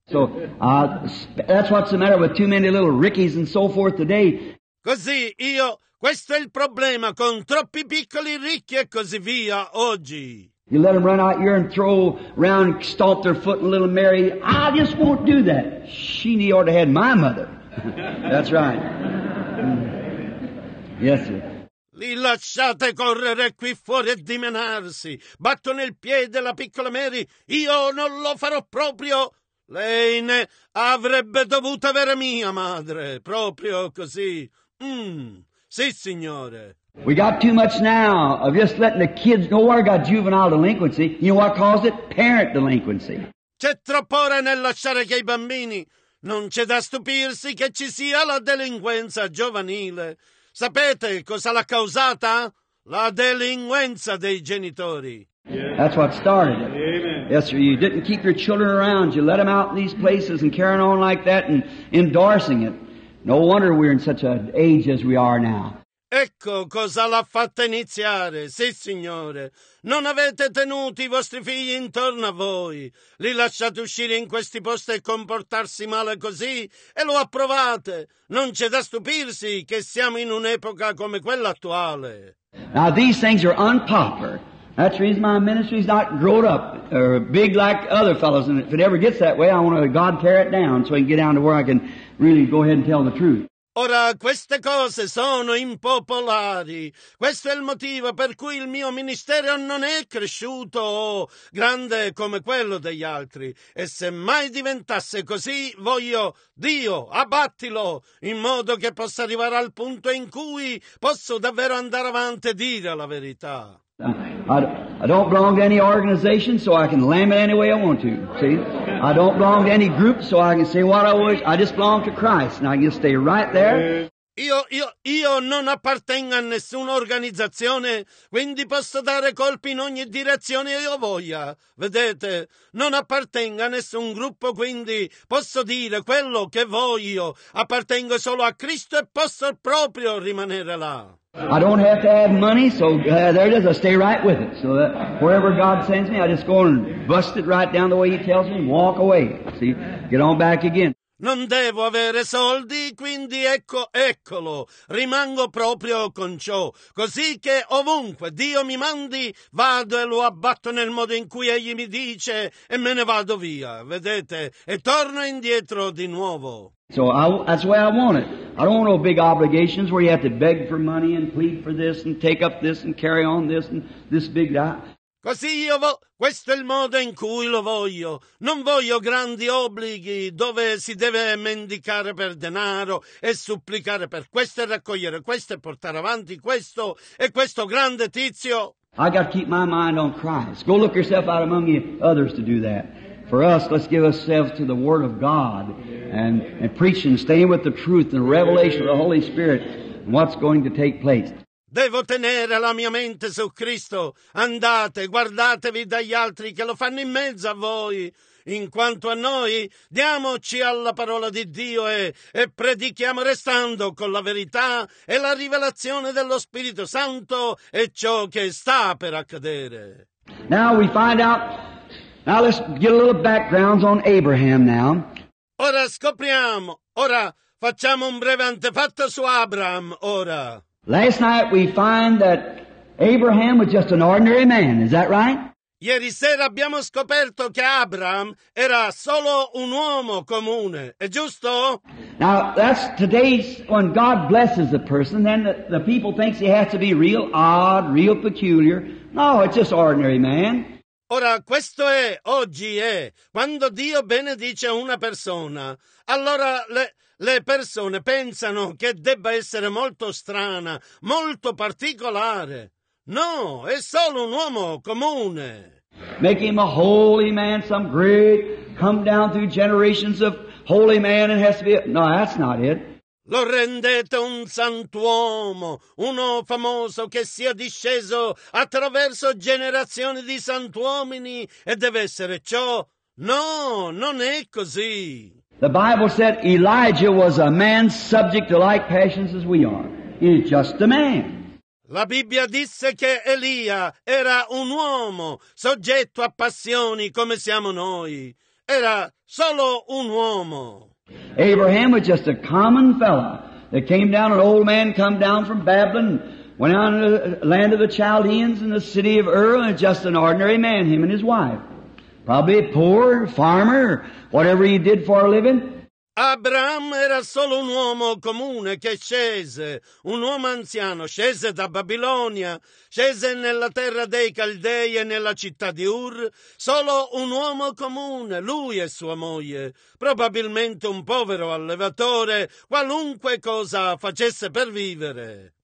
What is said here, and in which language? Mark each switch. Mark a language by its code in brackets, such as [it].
[en] So, that's what's the matter with too many little Rickies and so forth today. [it] Così io... Questo è il problema con troppi piccoli ricchi e così via oggi. [en] You let them run out here and throw around and stomp their foot in little Mary. I just won't do that. She need ought to have my mother. That's right. Yes, sir. [it] Li lasciate correre qui fuori e dimenarsi. Batto nel piede la piccola Mary. Io non lo farò proprio. Lei ne avrebbe dovuto avere mia madre. Proprio così. Sì, signore. [en] We got too much now of just letting the kids go. We got juvenile delinquency. You know what caused it? Parent delinquency. [it] C'è troppo ora nel lasciare che i bambini. Non c'è da stupirsi che ci sia la delinquenza giovanile. Sapete cosa l'ha causata? La delinquenza dei genitori. [en] Yeah. That's what started it. Amen. Yes, sir. You didn't keep your children around. You let them out in these places and carrying on like that and endorsing it. No wonder we're in such an age as we are now. [it] Ecco cosa l'ha fatta iniziare, sì signore. Non avete tenuto i vostri figli intorno a voi. Li lasciate uscire in questi posti e comportarsi male così e lo approvate. Non c'è da stupirsi che siamo in un'epoca come quella attuale. [en] Now these things are unpopular. That's the reason my ministry's not grown up or big like other fellows. And if it ever gets that way, I want God to tear it down so I can get down to where I can really go ahead and tell the truth. [it] Ora queste cose sono impopolari. Questo è il motivo per cui il mio ministero non è cresciuto grande come quello degli altri. E se mai diventasse così, voglio Dio abbattilo in modo che possa arrivare al punto in cui posso davvero andare avanti e dire la verità. [en] I don't belong to any organization, so I can lamb it any way I want to. See? I don't belong to any group, so I can say what I wish. I just belong to Christ, and I can just stay right there. [it] Io non appartengo a nessuna organizzazione, quindi posso dare colpi in ogni direzione io voglia. Vedete? Non appartengo a nessun gruppo, quindi posso dire quello che voglio. Appartengo solo a Cristo e posso proprio rimanere là. [en] I don't have to have money, so there it is. I stay right with it. So that wherever God sends me, I just go and bust it right down the way He tells me and walk away. See? Get on back again. [it] Non devo avere soldi, quindi ecco, eccolo. Rimango proprio con ciò. Così che ovunque Dio mi mandi, vado e lo abbatto nel modo in cui Egli mi dice e me ne vado via. Vedete? E torno indietro di nuovo. [en] So that's the way I want it. I don't want no big obligations where you have to beg for money and plead for this and take up this and carry on this and this big guy. [it] Così io questo è il modo in cui lo voglio. Non voglio grandi obblighi dove si deve mendicare per denaro e supplicare per questo e raccogliere questo e portare avanti questo e questo grande tizio. [en] I got to keep my mind on Christ. Go look yourself out among the others to do that. For us, let's give ourselves to the Word of God and preaching, staying with the truth and the revelation of the Holy Spirit and what's going to take place. [it] Devo tenere la mia mente su Cristo. Andate, guardatevi dagli altri che lo fanno in mezzo a voi. In quanto a noi, diamoci alla parola di Dio e predichiamo restando con la verità e la rivelazione dello Spirito Santo e ciò che sta per accadere. [en] Now we find out. Now let's get a little background on Abraham now. [it] Ora scopriamo. Ora facciamo un breve antefatto su Abraham. Ora. [en] Last night we find that Abraham was just an ordinary man. Is that right? [it] Ieri sera abbiamo scoperto che Abraham era solo un uomo comune. È giusto? [en] Now that's today's when God blesses a person, then the people thinks he has to be real odd, real peculiar. No, it's just ordinary man. [it] Ora, questo è, oggi è, quando Dio benedice una persona, allora le persone pensano che debba essere molto strana, molto particolare. No, è solo un uomo comune. [en] Make him a holy man, some great, come down through generations of holy man and has to be... No, that's not it. [it] Lo rendete un sant'uomo, uno famoso che sia disceso attraverso generazioni di sant'uomini e deve essere ciò. No, non è così. [en] The Bible said Elijah was a man subject to like passions as we are. He's just a man. [it] La Bibbia disse che Elia era un uomo soggetto a passioni come siamo noi. Era solo un uomo. [en] Abraham was just a common fellow. that came down, an old man come down from Babylon, went out into the land of the Chaldeans in the city of Ur, and just an ordinary man, him and his wife. Probably a poor farmer, whatever he did for a living. [it] Abram era solo un uomo comune che scese, un uomo anziano, scese da Babilonia, scese nella terra dei Caldei e nella città di Ur, solo un uomo comune, lui e sua moglie, probabilmente un povero allevatore, qualunque cosa facesse per vivere.